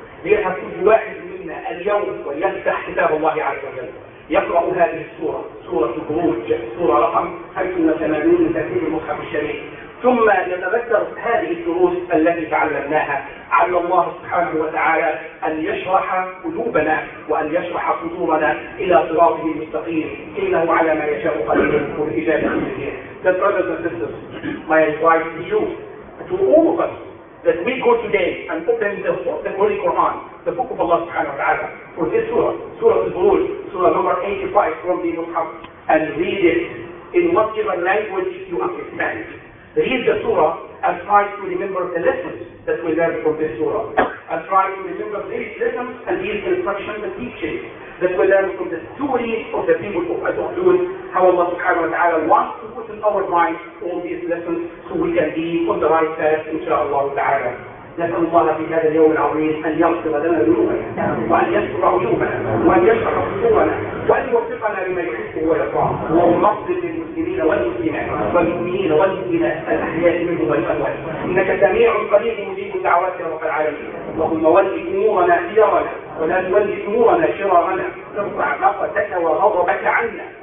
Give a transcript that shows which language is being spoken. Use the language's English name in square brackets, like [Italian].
[Arabic] ليحفظ كل واحد منا اليوم وليفتح كتاب الله عز وجل يقرأ هذه السورة سورة البروج سورة رقم 580 من تفسير المصحف الشريف ثم نتذكر هذه الدروس التي تعلمناها على الله سبحانه وتعالى أن يشرح قلوبنا وأن يشرح صدورنا إلى صراطه المستقيم إنه على ما يشاء قدير والإجابة كثيرة. [English] That brothers and sisters, my advice to you, to all of us, that we go today and open the Holy Quran, the book of Allah subhanahu wa ta'ala, for this surah, Surah Al-Buruj, surah number 85 from the Muhammad, and read it in whatever language you understand. Read the surah and try to remember the lessons that we learned from this surah. And try to remember these lessons and these instructions and teachings that we learned from the stories of the people of Adul, how Allah subhanahu wa ta'ala wants to put in our minds all these lessons so we can be on the right path, inshaAllah ta'ala. [Arabic] نسأل الله في هذا اليوم العظيم أن يغفر لنا ذنوبنا وأن يستر عيوبنا وأن يشرح صدورنا وأن يوفقنا لما يحب ويرضى اللهم اغفر للمسلمين والمسلمات والمؤمنين والمؤمنات الأحياء منهم والأموات إنك سميع قريب مجيب دعوات رب العالمين اللهم ول أمورنا سيرنا ولا تولي أمورنا شرارنا ارفع قسوتك وغضبك عنا